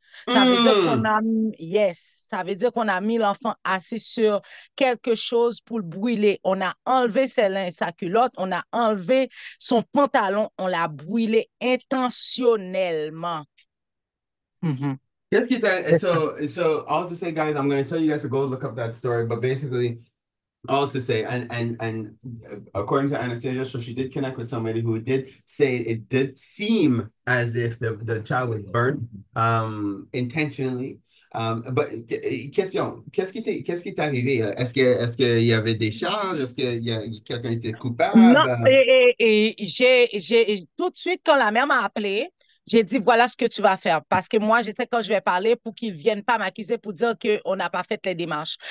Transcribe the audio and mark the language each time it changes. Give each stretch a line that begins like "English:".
French: Ça veut dire qu'on a yes, ça veut dire qu'on a mis l'enfant assis sur quelque chose pour le brûler. On a enlevé ses linges, sa culotte, on a enlevé son pantalon, on l'a brûlé intentionnellement.
English: Yes, Kita.
French: C'est ça.
English: So all to say, guys, I'm going to tell you guys to go look up that story. But basically, all to say, and according to Anastasia, so she did connect with somebody who did say it did seem as if the child was burned intentionally.
French: But question, qu'est-ce qui t'est arrivé? Est-ce que il y avait des charges? Est-ce que y a quelqu'un était Non, coupable? j'ai tout de suite, quand la mère m'a appelé, j'ai dit, voilà ce que tu vas faire. Parce que moi, je sais quand je vais parler pour qu'ils ne viennent pas m'accuser pour dire qu'on n'a pas fait les démarches.